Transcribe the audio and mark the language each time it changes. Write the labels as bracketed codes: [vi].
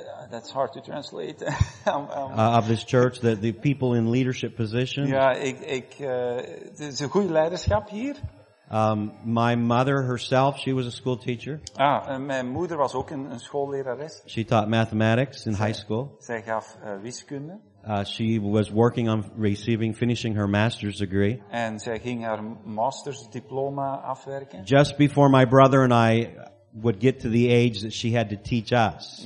[en] That's hard to translate. of this church, that the people in leadership positions. [nl] Ja, ik het is een goede leiderschap hier. [en] My mother herself, she was a school teacher. [nl] Ah, mijn moeder was ook een schoollerares. [en] She taught mathematics in high school. [nl] Zij gaf wiskunde. [en] She was working on finishing her master's degree. [nl] En zij ging haar master's diploma afwerken. [en] Just before my brother and I would get to the age that she had to teach us.